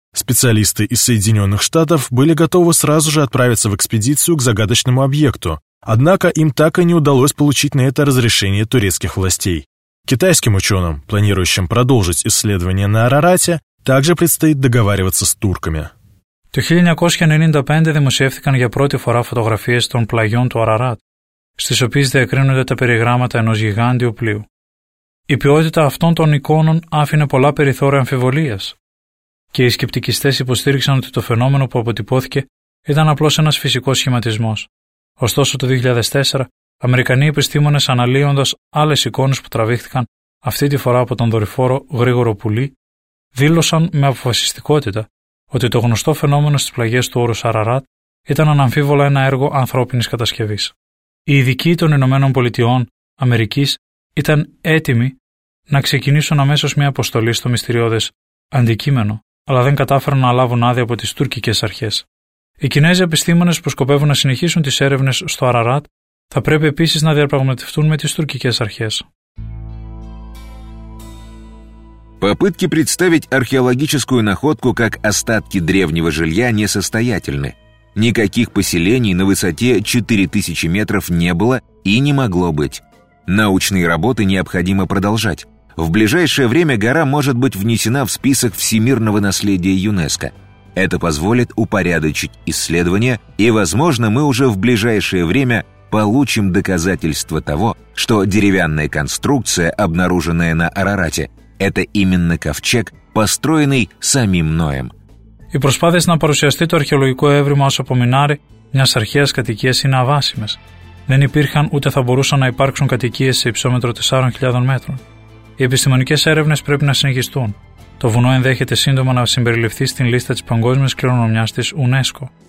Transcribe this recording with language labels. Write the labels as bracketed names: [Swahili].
[Russian] Специалисты из Соединенных Штатов были готовы сразу же отправиться в экспедицию к загадочному объекту, однако им так и не удалось получить на это разрешение турецких властей. Китайским ученым, планирующим продолжить исследования на Арарате, также предстоит договариваться с турками. [Greek] Το 1995 δημοσιεύθηκαν για πρώτη φορά φωτογραφίες των πλαγιών του Αραράτ, στις οποίες διακρίνονται τα περιγράμματα ενός γιγάντιου πλοίου. Η ποιότητα αυτών των εικόνων άφηνε πολλά περιθώρια αμφιβολίας και οι σκεπτικιστές υποστήριξαν ότι το φαινόμενο που αποτυπώθηκε ήταν απλώς ένας φυσικός σχηματισμός. Ωστόσο, το 2004, Αμερικανοί επιστήμονες, αναλύοντας άλλες εικόνες που τραβήχθηκαν αυτή τη φορά από τον δορυφόρο Γρήγορο Πουλί, δήλωσαν με αποφασιστικότητα ότι το γνωστό φαινόμενο στις πλαγιές του όρους Αραράτ ήταν αναμφίβολα ένα έργο ανθρώπινης κατασκευής. Οι ειδικοί των Ηνωμένων Πολιτειών Αμερικής ήταν έτοιμοι να ξεκινήσουν αμέσως μια αποστολή στο μυστηριώδες αντικείμενο, αλλά δεν κατάφεραν να λάβουν άδεια από τις τουρκικές αρχές. Οι Κινέζοι επιστήμονες που σκοπεύουν να συνεχίσουν τις έρευνες στο Αραράτ θα πρέπει επίσης να διαπραγματευτούν με τις τουρκικές αρχές. [Russian] Попытки представить археологическую находку как остатки древнего жилья несостоятельны. Никаких поселений на высоте 4000 метров не было и не могло быть. Научные работы необходимо продолжать. В ближайшее время гора может быть внесена в список Всемирного наследия ЮНЕСКО. Это позволит упорядочить исследования, и, возможно, мы уже в ближайшее время получим доказательства того, что деревянная конструкция, обнаруженная на Арарате, это именно ковчег, построенный самим Ноем. [Greek] Οι προσπάθειες να παρουσιαστεί το αρχαιολογικό έβριμα ως απομεινάρι μιας αρχαίας κατοικίας είναι αβάσιμες. Δεν υπήρχαν ούτε θα μπορούσαν να υπάρξουν κατοικίες σε υψόμετρο 4.000 μέτρων. Οι επιστημονικές έρευνες πρέπει να συνεχιστούν. Το βουνό ενδέχεται σύντομα να συμπεριληφθεί στην λίστα της παγκόσμιας κληρονομιάς της UNESCO.